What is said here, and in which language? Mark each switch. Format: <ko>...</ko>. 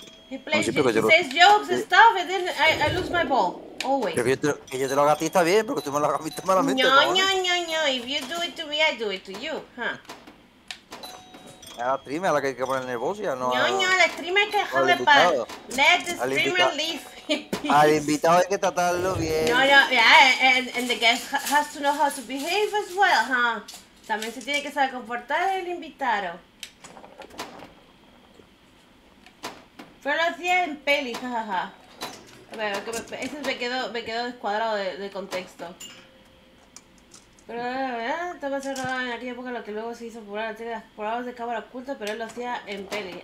<en>He plays, says jokes and stuff, and then I lose my ball. Always.</en> <es>Pero que yo te lo haga a ti está bien, porque tú me lo has visto malamente.</es> <en>No, no, no, no, if you do it to me, I do it to you, huh?</en> <es>A la streamer la que hay que poner nerviosa, no. No, no, la streamer que dejarle para.</es> <en>Let the streamer leave.</en> <es>Al invitado hay que tratarlo bien.</es> <en>No, no, yeah, and the guest has to know how to behave as well, huh?</en> <es>También se tiene que saber comportar el invitado. Pero lo hacía en peli, jajaja. A ver, ese me quedó descuadrado de contexto. Pero la verdad, estaba cerrado en aquella época lo que luego se hizo popular, tiene las pruebas de cámara oculta, pero él lo hacía en peli.</es>